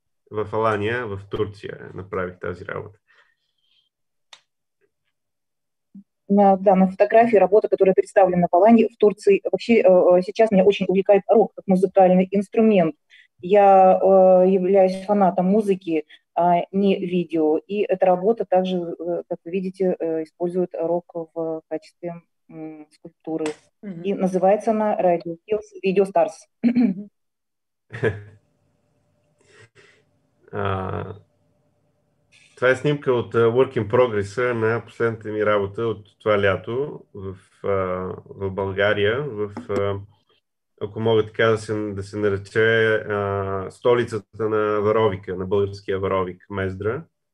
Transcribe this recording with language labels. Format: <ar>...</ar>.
<bg>В Алания, в Турция, направих тази работа.</bg> <ru>На фотографии работа, которая представлена в Алании, в Турции. Вообще сейчас меня очень увлекает рок как музыкальный инструмент. Я являюсь фанатом музыки, а не видео. И эта работа также, как вы видите, использует рок в качестве скульптуры. Mm-hmm. И называется она Radio Hills Video Stars.</ru> <bg>Това е снимка от Work in Progress на последната ми работа от това лято в България, в, ако мога така да се нарече, столицата на Варовика, на българския Варовик, Мездра.</bg>